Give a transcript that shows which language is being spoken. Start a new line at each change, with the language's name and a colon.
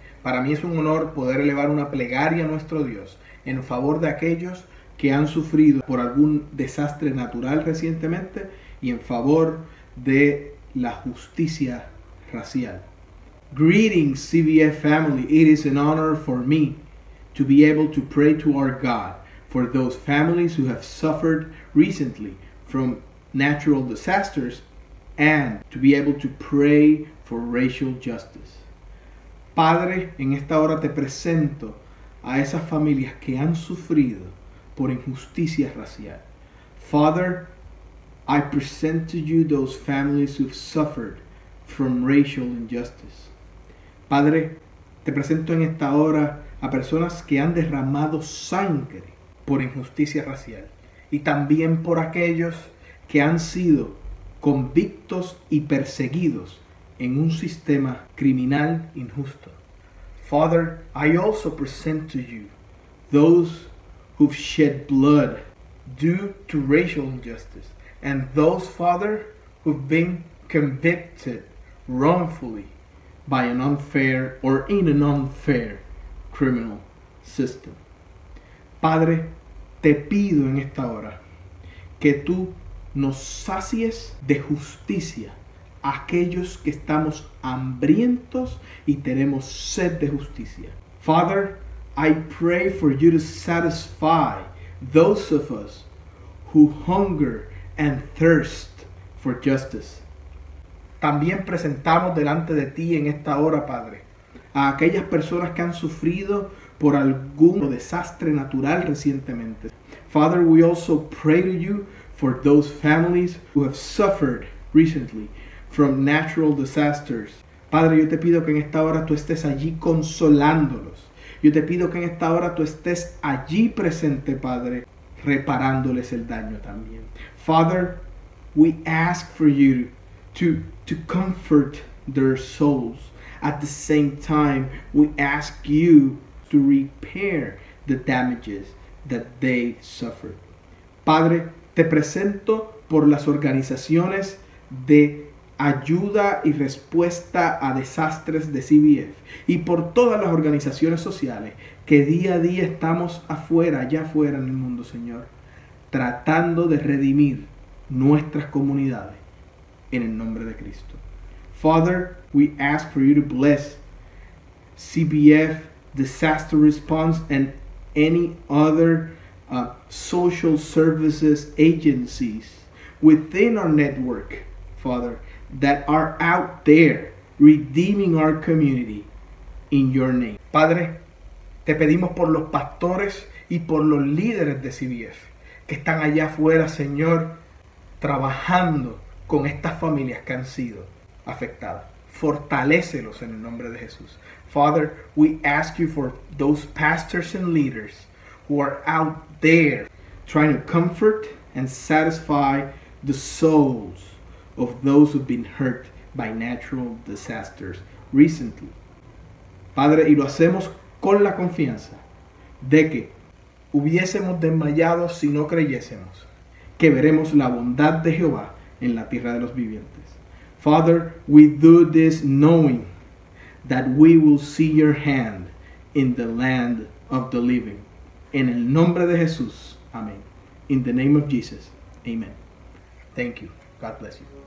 Spanish: Para mí es un honor poder elevar una plegaria a nuestro Dios en favor de aquellos que han sufrido por algún desastre natural recientemente y en favor de la justicia racial.
English: Greetings, CBF family. It is an honor for me to be able to pray to our God for those families who have suffered recently from natural disasters and to be able to pray for racial justice.
Spanish: Padre, en esta hora te presento a esas familias que han sufrido por injusticia racial.
English: Father, I present to you those families who've suffered from racial injustice.
Spanish: Padre, te presento en esta hora a personas que han derramado sangre por injusticia racial y también por aquellos que han sido convictos y perseguidos en un sistema criminal injusto.
English: Father, I also present to you those who've shed blood due to racial injustice and those, Father, who've been convicted wrongfully by an unfair or in an unfair criminal system.
Spanish: Padre, te pido en esta hora que tú nos sacies de justicia a aquellos que estamos hambrientos y tenemos sed de justicia.
English: Father, I pray for you to satisfy those of us who hunger and thirst for justice.
Spanish: También presentamos delante de ti en esta hora, Padre, a aquellas personas que han sufrido por algún desastre natural recientemente.
English: Father, we also pray to you for those families who have suffered recently from natural disasters.
Spanish: Padre, yo te pido que en esta hora tú estés allí consolándolos. Yo te pido que en esta hora tú estés allí presente, Padre, reparándoles el daño también.
English: Father, we ask for you to comfort their souls. At the same time, we ask you to repair the damages that they suffered.
Spanish: Padre, te presento por las organizaciones de ayuda y respuesta a desastres de CBF y por todas las organizaciones sociales que día a día estamos afuera, allá afuera en el mundo, Señor, tratando de redimir nuestras comunidades. En el nombre de Cristo.
English: Father, we ask for you to bless CBF, Disaster Response, and any other social services agencies within our network, Father, that are out there redeeming our community in your name.
Spanish: Padre, te pedimos por los pastores y por los líderes de CBF que están allá afuera, Señor, trabajando con estas familias que han sido afectadas. Fortalécelos en el nombre de Jesús.
English: Father, we ask you for those pastors and leaders who are out there trying to comfort and satisfy the souls of those who've been hurt by natural disasters recently.
Spanish: Padre, y lo hacemos con la confianza de que hubiésemos desmayado si no creyésemos que veremos la bondad de Jehová en la tierra de los vivientes.
English: Father, we do this knowing that we will see your hand in the land of the living.
Spanish: En el nombre de Jesús. Amén. In the name of Jesus. Amen.
English: Thank you. God bless you.